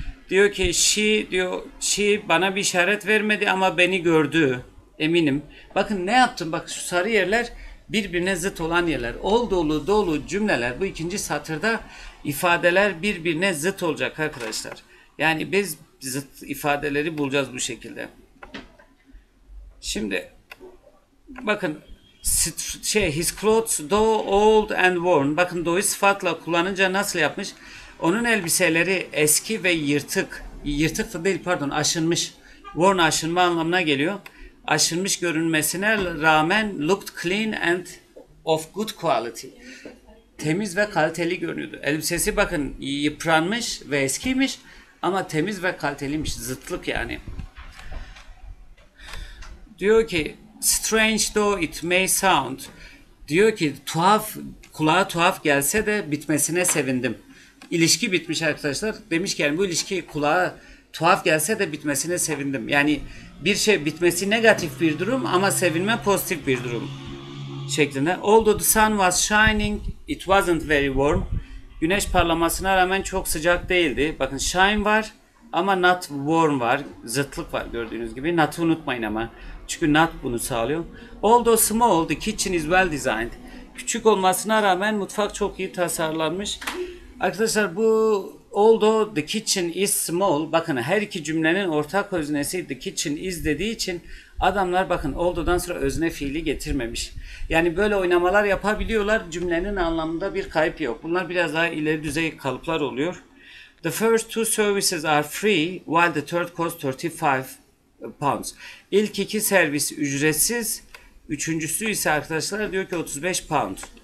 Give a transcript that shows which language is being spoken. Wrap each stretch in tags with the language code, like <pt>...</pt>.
<tr>Diyor ki she bana bir işaret vermedi ama beni gördü, eminim. Bakın ne yaptım, bak şu sarı yerler birbirine zıt olan yerler. Ol dolu dolu cümleler, bu ikinci satırda ifadeler birbirine zıt olacak arkadaşlar. Yani biz zıt ifadeleri bulacağız bu şekilde. Şimdi bakın</tr> <en>his clothes though old and worn.</en> <tr>Bakın though'u sıfatla kullanınca nasıl yapmış? Onun elbiseleri eski ve yırtık. Yırtık da değil, pardon, aşınmış. Worn aşınma anlamına geliyor. Aşınmış görünmesine rağmen</tr> <en>looked clean and of good quality.</en> <tr>Temiz ve kaliteli görünüyordu. Elbisesi bakın yıpranmış ve eskiymiş ama temiz ve kaliteliymiş. Zıtlık yani. Diyor ki</tr> <en>strange though it may sound.</en> <tr>Diyor ki tuhaf, kulağa tuhaf gelse de bitmesine sevindim. İlişki bitmiş arkadaşlar. Demiş ki yani bu ilişki kulağa tuhaf gelse de bitmesine sevindim. Yani bir şey bitmesi negatif bir durum ama sevinme pozitif bir durum şeklinde.</tr> <en>Although the sun was shining, it wasn't very warm.</en> <tr>Güneş parlamasına rağmen çok sıcak değildi. Bakın shine var ama not warm var. Zıtlık var gördüğünüz gibi. Not'ı unutmayın ama. Çünkü not bunu sağlıyor.</tr> <en>Although small, the kitchen is well designed.</en> <tr>Küçük olmasına rağmen mutfak çok iyi tasarlanmış. Arkadaşlar bu</tr> <en>although the kitchen is small,</en> <tr>bakın her iki cümlenin ortak öznesi the kitchen is dediği için Adamlar bakın olduğundan sonra özne fiili getirmemiş. Yani böyle oynamalar yapabiliyorlar, cümlenin anlamında bir kayıp yok. Bunlar biraz daha ileri düzey kalıplar oluyor.</tr> <en>The first two services are free while the third costs 35 pounds.</en> <tr>İlk iki servis ücretsiz, üçüncüsü ise arkadaşlar diyor ki 35 pound.</tr>